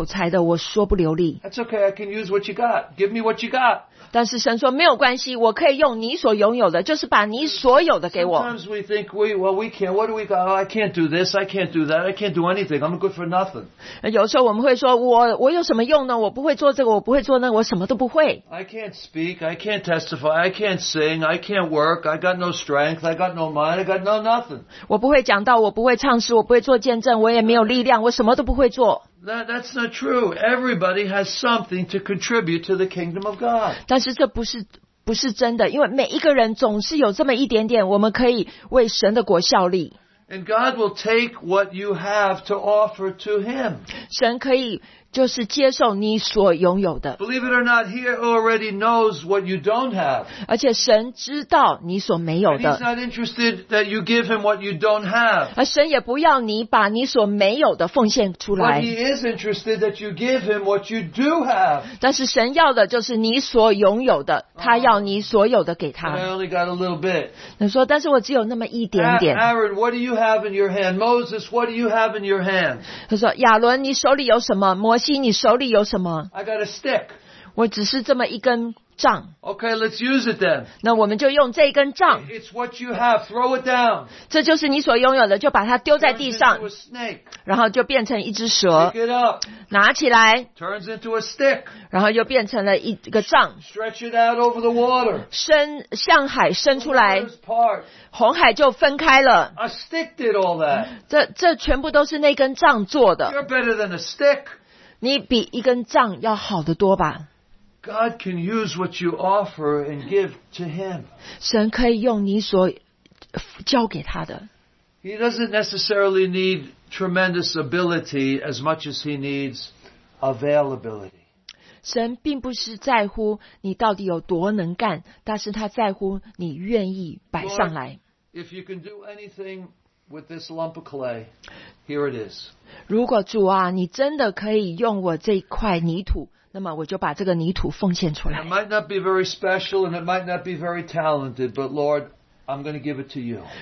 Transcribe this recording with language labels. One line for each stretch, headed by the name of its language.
Chinese: 就是像摩西的故事，摩西跟神说，我上来就是没有口才的，我说不流利。
English: That's okay. I can use what you got. Give me what you got.
Chinese: 但是神说没有关系，我可以用你所拥有的，就是把你所有的给我。
English: Sometimes we think we can't. What do we got? Oh, I can't do this. I can't do that. I can't do anything. I'm good for nothing.
Chinese: 有时候我们会说，我有什么用呢？我不会做这个，我不会做那个，我什么都不会。
English: I can't speak. I can't testify. I can't sing. I can't work. I got no strength. I got no mind. I got no nothing.
Chinese: 我不会讲道，我不会唱诗，我不会做见证，我也没有力量，我什么都不会做。
English: That's not true. Everybody has something to contribute to the kingdom of God.
Chinese: 但是这不是真的, 因为每一个人总是有这么一点点我们可以为神的国效力。
English: And God will take what you have to offer to Him.
Chinese: 神可以就是接受你所拥有的。
English: Believe it or not, He already knows what you don't have.
Chinese: 而且神知道你所没有的。
English: And He's not interested that you give Him what you don't have.
Chinese: 而神也不要你把你所没有的奉献出来。
English: But He is interested that you give Him what you do have.
Chinese: 但是神要的就是你所拥有的, 他要你所有的给他。
English: And I only got a little bit.
Chinese: 他说, 但是我只有那么一点点。
English: Aaron, what do you have in your hand? Moses, what do you have in your hand?
Chinese: 他说, 亚伦, 你手里有什么? 摩西, 你手里有什么?
English: I got a stick.
Chinese: 我只是这么一根杖。
English: Okay, let's use it then.
Chinese: 那我们就用这根杖。
English: It's what you have. Throw it down.
Chinese: 这就是你所拥有的, 就把它丢在地上。
English: Turns into a snake.
Chinese: 然后就变成一只蛇。
English: Pick it up.
Chinese: 拿起来。
English: Turns into a stick.
Chinese: 然后又变成了一个杖。
English: Stretch it out over the water.
Chinese: 向海伸出来。红海就分开了。
English: A stick did all that.
Chinese: 这全部都是那根杖做的。
English: You're better than a stick.
Chinese: 你比一根杖要好得多吧。
English: God can use what you offer and give to Him.
Chinese: 神可以用你所交给他的。
English: He doesn't necessarily need tremendous ability as much as He needs availability.
Chinese: 神并不是在乎你到底有多能干，但是他在乎你愿意摆上来。
English: Lord, if you can do anything with this lump of clay, here it is.
Chinese: 如果主啊，你真的可以用我这块泥土。那么我就把这个泥土奉献出来。
English: It might not be very special and it might not be very talented, but Lord, I'm going to give it to you.